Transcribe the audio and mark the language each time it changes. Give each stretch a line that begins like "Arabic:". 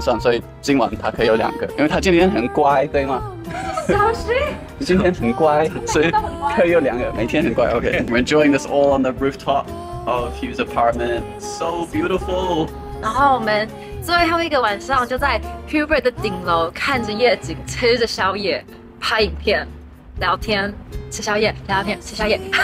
Chinese: 他昨天他说我可以有两个吗？说你不是在减肥吧？然后我们还有一个晚上，所以今晚他可以有两个，因为他今天很乖，对吗？小心！今天很乖，所以可以有两个，每天很乖。
English: OK， we're enjoying this all on the rooftop of Hugh's apartment. So beautiful.
Chinese: 然后我们最后一个晚上就在 Hubert 的顶楼看着夜景，吃着宵夜，拍影片，聊天，吃宵夜，聊天，吃宵夜。